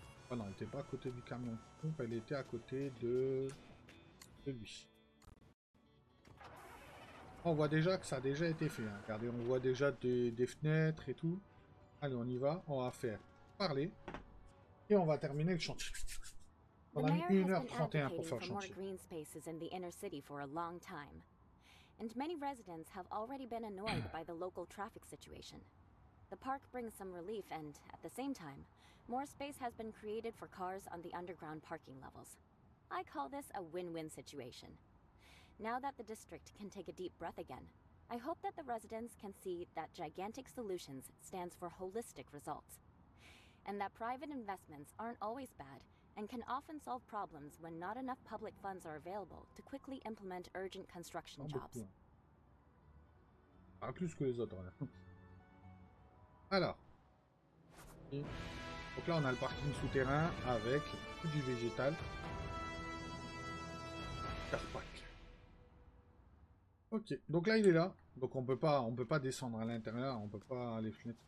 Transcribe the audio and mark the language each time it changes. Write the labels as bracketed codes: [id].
[fr] Oh non, elle n'était pas à côté du camion de pompe, elle était à côté de lui. On voit déjà que ça a déjà été fait. Hein. Regardez, on voit déjà des fenêtres et tout. Allez, on y va. On va faire parler. Et on va terminer le chantier. On a mis 1h31 pour faire le chantier. [en] Green spaces in the inner city for a long time. And many residents have already been annoyed by the local traffic situation. The park brings some relief and, at the same time, more space has been created for cars on the underground parking levels. I call this a win-win situation. Now that the district can take a deep breath again, I hope that the residents can see that Gigantic Solutions stands for holistic results. And that private investments aren't always bad and can often solve problems when not enough public funds are available to quickly implement urgent construction jobs. [fr] Pas plus que les autres, là. Alors, donc là on a le parking souterrain avec du végétal. Carpac. Ok, donc là il est là. Donc on peut pas descendre à l'intérieur, on peut pas les fenêtres.